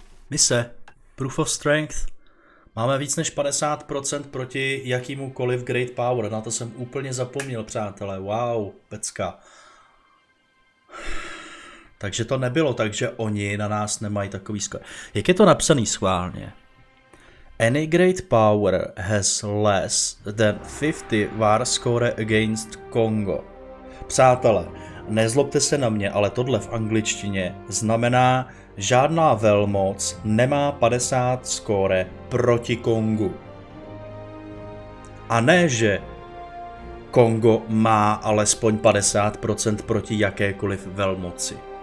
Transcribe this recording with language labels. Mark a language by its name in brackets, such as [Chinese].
[English] Mise, proof of strength. [Czech] Máme víc než 50% proti jakýmukoliv Great Power. Na to jsem úplně zapomněl, přátelé. Wow, pecka. Takže to nebylo, takže oni na nás nemají takový skvěl. Jak je to napsaný schválně? [English] Any Great Power has less than 50 war score against Congo. [Czech] Přátelé, nezlobte se na mě, ale tohle v angličtině znamená, žádná velmoc nemá 50 skóre proti Kongu. A ne, že Kongo má alespoň 50% proti jakékoliv velmoci.